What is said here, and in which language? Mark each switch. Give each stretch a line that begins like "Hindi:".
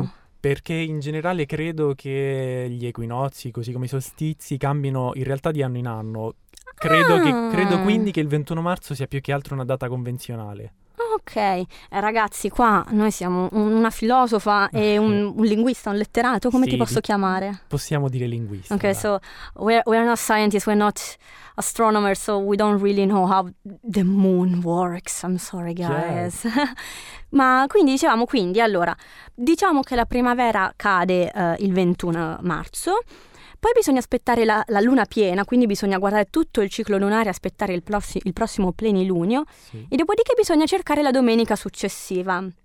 Italian: Beh, perché in generale credo che gli equinozi, così come i solstizi, cambino in realtà di anno in anno. Credo quindi che il 21 marzo sia più che altro una data convenzionale. Ok, ragazzi, qua noi siamo una filosofa e un linguista, un letterato, come sì, ti posso chiamare? Possiamo dire linguista.
English: Ok, so we're not scientists, we're not astronomers, so we don't really know how the moon works, I'm sorry guys. Yeah.
Italian: Ma quindi dicevamo, quindi allora, diciamo che la primavera cade il 21 marzo, poi bisogna aspettare la luna piena, quindi bisogna guardare tutto il ciclo lunare, aspettare il prossimo plenilunio, sì. E dopodiché bisogna cercare la domenica successiva.